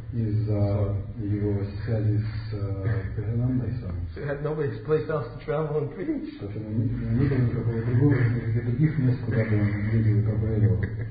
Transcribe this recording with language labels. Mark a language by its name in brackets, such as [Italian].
[Russian] Из-за его связи с Кирнандой. [English] So he had no place else to travel and preach. [Russian] Не было никакого другого, других мест, куда бы он ездил и проповедовал.